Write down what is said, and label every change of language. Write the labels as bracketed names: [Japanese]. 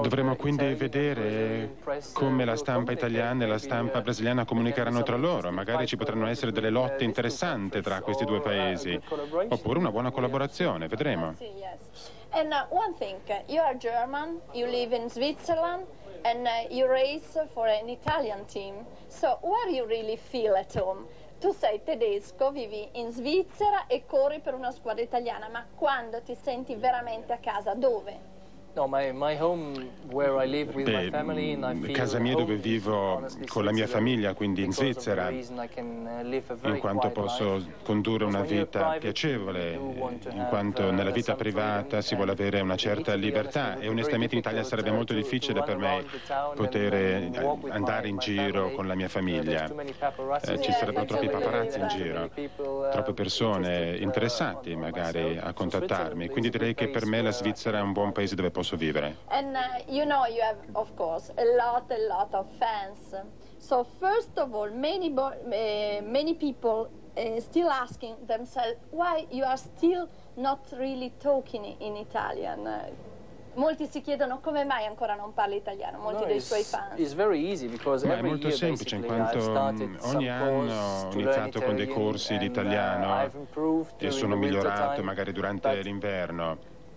[Italian] Dovremo quindi vedere come la stampa italiana e la stampa brasiliana comunicheranno tra loro. Magari ci potranno essere delle lotte interessanti tra questi due paesi, oppure una buona collaborazione, vedremo. [English] And one thing, you are German, you live in Switzerland. And you race for an Italian team. So where you really feel at home? [Italian] Tu sei tedesco, vivi in Svizzera e corri per una squadra italiana, ma quando ti senti veramente a casa, dove? Casa mia dove vivo con la mia famiglia, quindi in Svizzera, in quanto posso condurre una vita piacevole, in quanto nella vita privata si vuole avere una certa libertà e onestamente in Italia sarebbe molto difficile per me poter andare in giro con la mia famiglia, ci sarebbero troppi paparazzi in giro, troppe persone interessate magari a contattarmi, quindi direi che per me la Svizzera è un buon paese dove posso vivere. [English] And you know you have of course a lot of fans. So first of all many people still asking themselves why you are still not really talking in Italian. [Italian] Molti si chiedono come mai ancora non parli italiano, molti dei suoi fans. [English] It's very easy because every [Italian] molto year, semplice in quanto ogni anno ho iniziato con dei corsi di italiano e sono migliorato magari durante l'inverno.